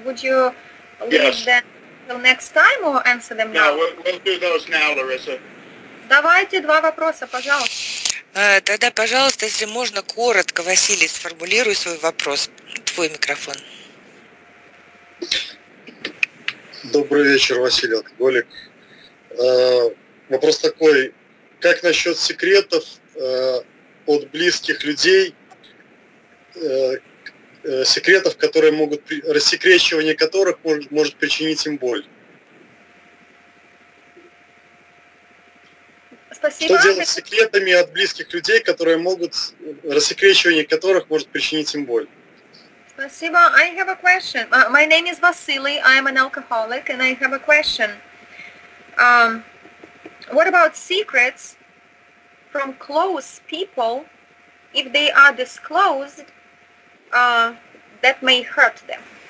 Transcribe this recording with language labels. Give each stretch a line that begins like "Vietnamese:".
English: Would you leave them till next time or answer them now? No, we'll do those now, Larissa.
Russian: Давайте два вопроса, пожалуйста. Тогда, пожалуйста, если можно, коротко, Василий, сформулируй свой вопрос. Твой микрофон. Добрый вечер, Василий Алкоголик. Вопрос такой. Как насчет секретов от близких людей, секретов, которые могут, рассекречивание которых может причинить им боль? Спасибо. Что делать с секретами от близких людей, которые могут, рассекречивание которых может причинить им боль? Спасибо.
English: I have a question. My name is Vasily. I am an alcoholic and I have a question. What about secrets from close people? If they are disclosed, that may hurt them.